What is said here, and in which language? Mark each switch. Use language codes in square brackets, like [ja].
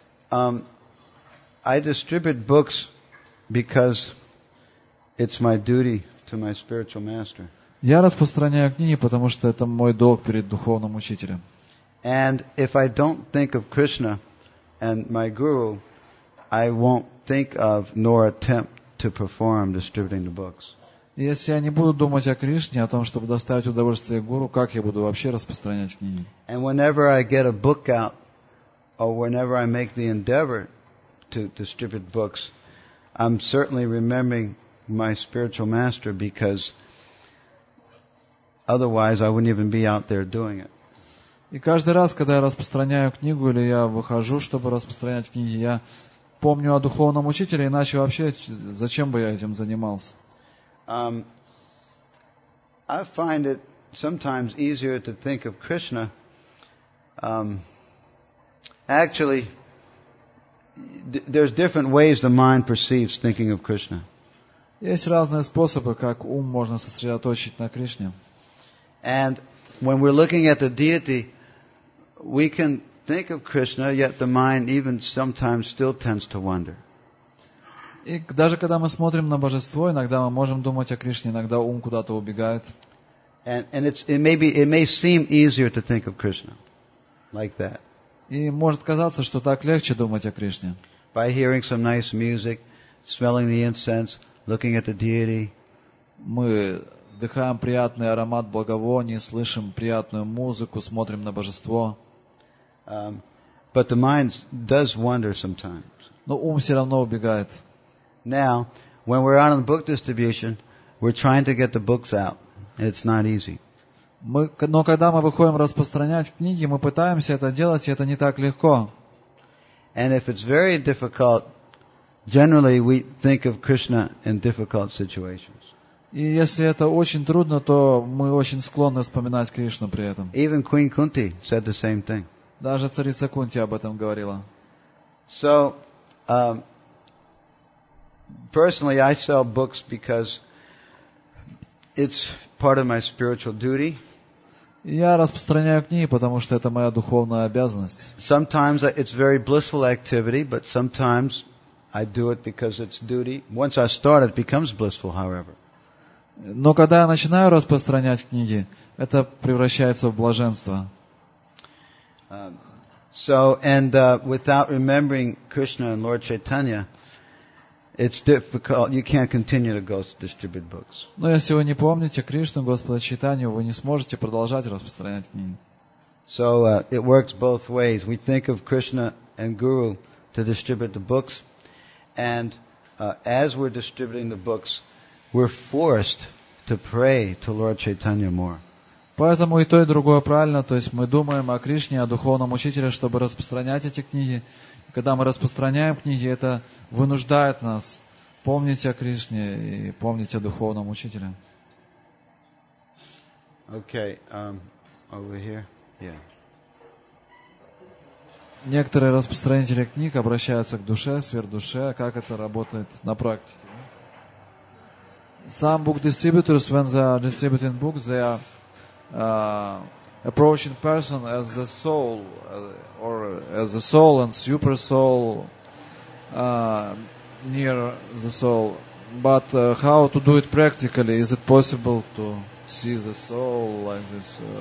[en] I distribute books because it's my duty to my spiritual master. [ru] Я распространяю книги, потому что это мой долг перед духовным учителем. [en] And if I don't think of Krishna and my guru, I won't think of nor attempt to perform distributing the books. [ru] Если я не буду думать о Кришне, о том, чтобы доставить удовольствие гуру, как я буду вообще распространять книги? [en] And whenever I get a book out, or whenever I make the endeavor to distribute books, I'm certainly remembering my spiritual master, because otherwise I wouldn't even be out there doing it. [ru] И каждый раз, когда я распространяю книгу или я выхожу, чтобы распространять книги, я помню о духовном учителе, иначе вообще зачем бы я этим занимался? [en] I find it sometimes easier to think of Krishna. Actually, there's different ways the mind perceives thinking of Krishna. [ru] Есть разные способы, как ум можно сосредоточить на Кришне. [en] And when we're looking at the deity, we can think of Krishna, yet the mind even sometimes still tends to wander. [ru] И даже когда мы смотрим на божество, иногда мы можем думать о Кришне, иногда ум куда-то убегает. [en] It may seem easier to think of Krishna like that. [ru] И может казаться, что так легче думать о Кришне. [en] By hearing some nice music, smelling the incense, looking at the deity. [ru] Мы вдыхаем приятный аромат благовоний, слышим приятную музыку, смотрим на божество. [en] But the mind does wander sometimes. [ru] Но ум все равно убегает. [en] Now, when we're out on book distribution, we're trying to get the books out. It's not easy. [ru] Но когда мы выходим распространять книги, мы пытаемся это делать, и это не так легко. [en] And if it's very difficult, generally we think of Krishna in difficult situations. [ru] И если это очень трудно, то мы очень склонны вспоминать Кришну при этом. [en] Even Queen Kunti said the same thing. [ru] Даже царица Кунти об этом говорила. [en] So, personally, I sell books because it's part of my spiritual duty. [ru] Я распространяю книги, потому что это моя духовная обязанность. [en] Sometimes it's very blissful activity, but sometimes I do it because it's duty. Once I start, it becomes blissful, however. [ru] Но когда я начинаю распространять книги, это превращается в блаженство. [en] Without remembering Krishna and Lord Chaitanya, it's difficult. You can't continue to go distribute books. [ru] Но если вы не помните Кришну, Господа Чайтанью, вы не сможете продолжать распространять книги. [en] So it works both ways. We think of Krishna and Guru to distribute the books, and as we're distributing the books, we're forced to pray to Lord Chaitanya more. [ru] Поэтому и то, и другое правильно. То есть мы думаем о Кришне, о духовном учителе, чтобы распространять эти книги. Когда мы распространяем книги, это вынуждает нас помнить о Кришне и помнить о духовном учителе. [en] Okay, over here. Yeah. [ru] Некоторые распространители книг обращаются к душе, сверхдуше, как это работает на практике. [en] Some book distributors, when they are distributing books, they are approaching person as a soul, or as a soul and super soul near the soul. But how to do it practically? Is it possible to see the soul like this?